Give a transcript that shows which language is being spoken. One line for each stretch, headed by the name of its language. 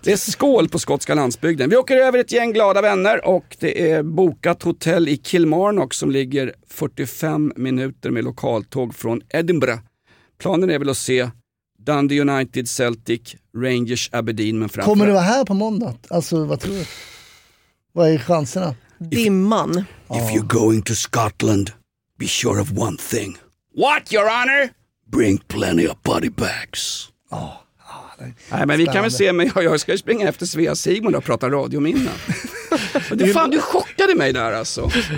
Swedish: Det är skål på skotska landsbygden. Vi åker över ett gäng glada vänner och det är bokat hotell i Kilmarnock som ligger 45 minuter med lokaltåg från Edinburgh. Planen är väl att se Dundee United, Celtic, Rangers, Aberdeen. Men kommer du vara här på måndag? Alltså, vad tror du? Vad är chanserna? Dimman.
English: If you're going to Scotland, be sure of one thing. What, your honor? Bring plenty of body bags.
Swedish: Nej, men vi kan väl se, men jag ska ju springa efter Svea Sigmund och prata radio om innan. du chockade mig där alltså.